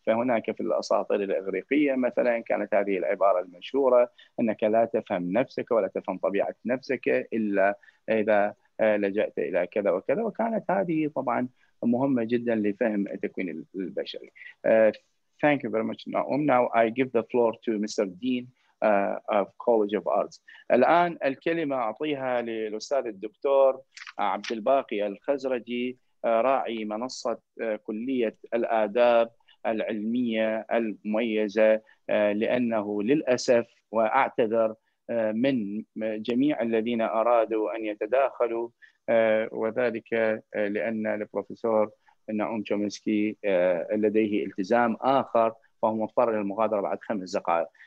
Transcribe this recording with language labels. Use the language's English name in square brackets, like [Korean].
[Arabic] فهناك في الأساطير الإغريقية مثلا كانت هذه العبارة المشهورة، أنك لا تفهم نفسك ولا تفهم طبيعة نفسك إلا إذا لجأت إلى كذا وكذا، وكانت هذه طبعا مهمة جدا لفهم التكوين البشري. [English] Thank you very much. Now I give the floor to Mr. Dean of College of Arts. [Arabic] الآن الكلمة أعطيها للأستاذ الدكتور عبد الباقي الخزرجي، راعي منصة كلية الآداب العلمية المميزة، لأنه للأسف وأعتذر من جميع الذين أرادوا أن يتداخلوا، وذلك لأن البروفيسور نعوم تشومسكي لديه التزام آخر فهو مضطر للمغادرة بعد 5 دقائق.